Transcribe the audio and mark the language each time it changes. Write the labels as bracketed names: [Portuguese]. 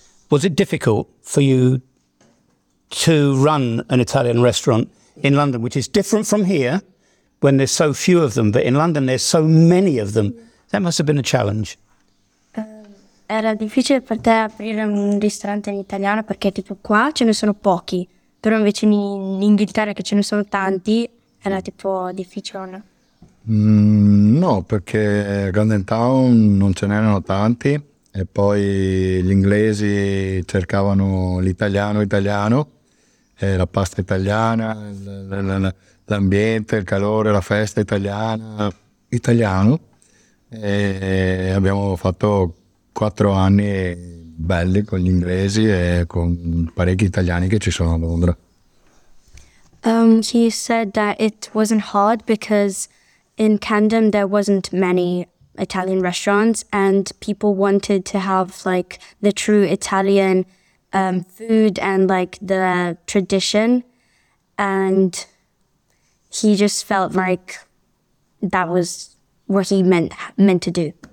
[English] Was it difficult for you to run an Italian restaurant in London, which is different from here, when there's so few of them, but in London there's so many of them. That must have been a challenge. [Italian] Era difficile per te aprire un ristorante in italiano perché tipo qua ce ne sono pochi, però invece in Inghilterra che ce ne sono tanti era tipo difficile. No, no, perché a Camden Town non ce n'erano tanti e poi gli inglesi cercavano l'italiano italiano, la pasta italiana, l'ambiente, il calore, la festa italiana, italiano, e abbiamo fatto 4 anni belli con gli inglesi e con parecchi italiani che ci sono a Londra. [English] He said that it wasn't hard because in Camden there wasn't many Italian restaurants and people wanted to have like the true Italian food and like the tradition, and he just felt like that was what he meant to do.